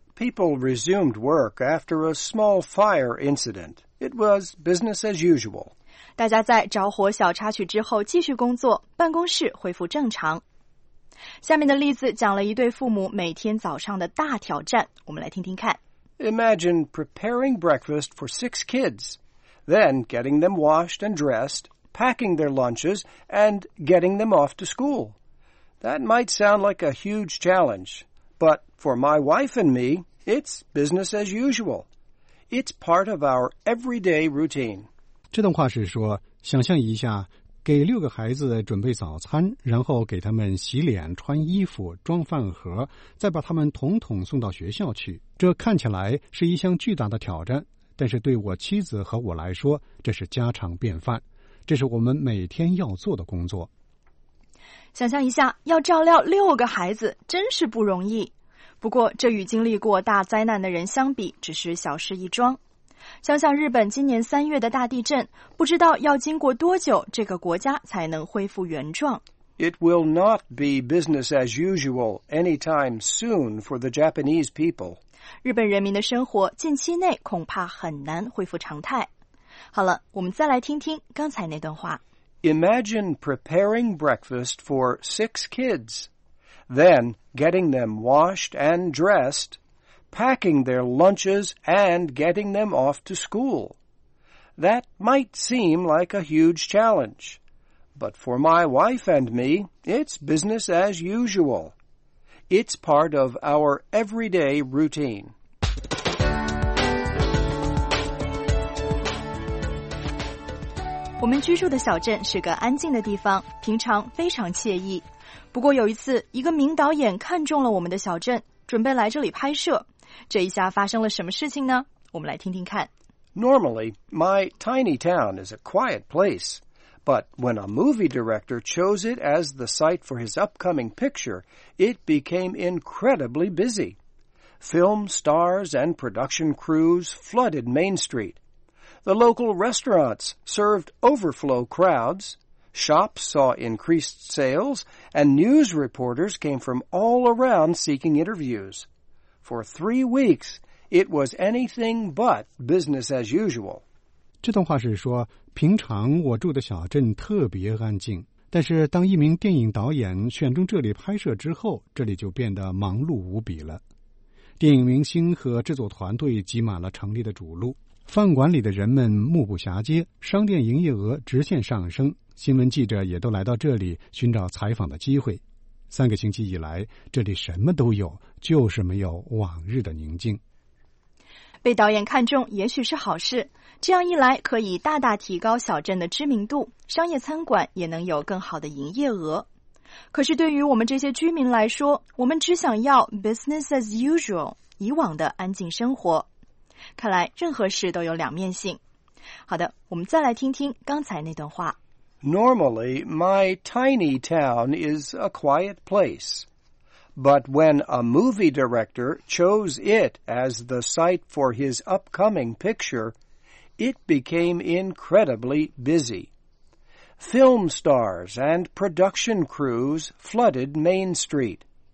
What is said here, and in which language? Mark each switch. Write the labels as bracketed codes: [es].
[en] ，People resumed work after a small fire incident. It was business as usual. [zh] 大家在着火小插曲之后继续工作，办公室恢复正常。下面的例子讲了一对父母每天早上的大挑战，我们来听听看。 [en] Imagine preparing breakfast for 6 kids, then getting them washed and dressed, packing their lunches, and getting them off to school. That might sound like a huge challenge, but for my wife and me, it's business as usual. It's part of our everyday routine. [zh] 这段话是说，想象一下，给六个孩子准备早餐，然后给他们洗脸、穿衣服、装饭盒，再把他们统统送到学校去。这看起来是一项巨大的挑战，但是对我妻子和我来说，这是家常便饭，这是我们每天要做的工作。想象一下，要照料六个孩子真是不容易，不过这与经历过大灾难的人相比只是小事一桩。想想日本今年3月的大地震，不知道要经过多久这个国家才能恢复原状。 [en] It will not be business as usual anytime soon for the Japanese people. [zh] 日本人民的生活近期内恐怕很难恢复常态。好了，我们再来听听刚才那段话。 [en] Imagine preparing breakfast for 6 kids, then getting them washed and dressed, packing their lunches and getting them off to school. That might seem like a huge challenge, but for my wife and me, it's business as usual. It's part of our everyday routine. [zh] 我们居住的小镇是个安静的地方，平常非常惬意。不过有一次，一个名导演看中了我们的小镇，准备来这里拍摄。这一下发生了什么事情呢？我们来听听看。 [en] Normally, my tiny town is a quiet place, but when a movie director chose it as the site for his upcoming picture, it became incredibly busy. Film stars and production crews flooded Main Street. The local restaurants served overflow crowds, shops saw increased sales, and news reporters came from all around seeking interviews. For 3 weeks, it was anything but business as usual. [zh] 这段话是说，平常我住的小镇特别安静，但是当一名电影导演选中这里拍摄之后，这里就变得忙碌无比了。电影明星和制作团队挤满了城里的主路，饭馆里的人们目不暇接，商店营业额直线上升，新闻记者也都来到这里寻找采访的机会。三个星期以来，这里什么都有，就是没有往日的宁静。被导演看中也许是好事，这样一来可以大大提高小镇的知名度，商业餐馆也能有更好的营业额。可是对于我们这些居民来说，我们只想要 [en] business as usual， [zh] 以往的安静生活。看来任何事都有两面性。好的，我们再来听听刚才那段话。 [en] Normally, my tiny town is a quiet place. But when a movie director chose it as the site for his upcoming picture, it became incredibly busy. Film stars and production crews flooded Main Street.